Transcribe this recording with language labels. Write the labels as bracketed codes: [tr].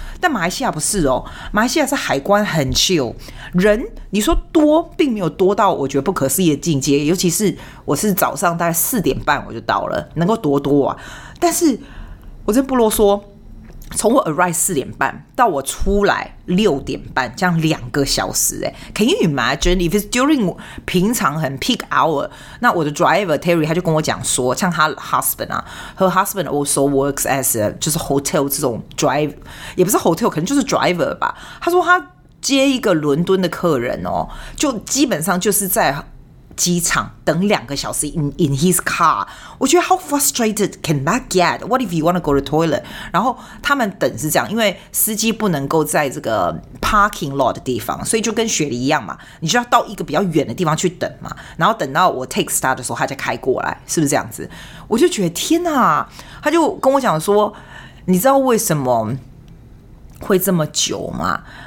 [zh] 但马来西亚不是哦，马来西亚是海关很 chill， 人你说多并没有多到我觉得不可思议的境界，尤其是我是早上大概四点半我就到了，能够多多啊。但是我真不啰嗦，从我 arrive 四点半到我出来六点半，这样两个小时。 [en] Can you imagine if it's during [zh] 平常很 [en] peak hour？ [zh] 那我的 driver Terry 他就跟我讲说，像他 husband 啊， [en] her husband also works as a, [zh] 就是 hotel 这种 drive， 也不是 hotel， 可能就是 driver 吧。他说他接一个伦敦的客人哦，就基本上就是在机场等两个小时 [en] in his car。 [zh] 我觉得 [en] how frustrated can that get? What if you want to go to toilet? [zh] 然后他们等是这样，因为司机不能够在这个 parking lot 的地方，所以就跟雪梨一样嘛，你就要到一个比较远的地方去等嘛，然后等到我 take start 的时候他就开过来，是不是这样子？我就觉得天哪，他就跟我讲说，你知道为什么会这么久吗？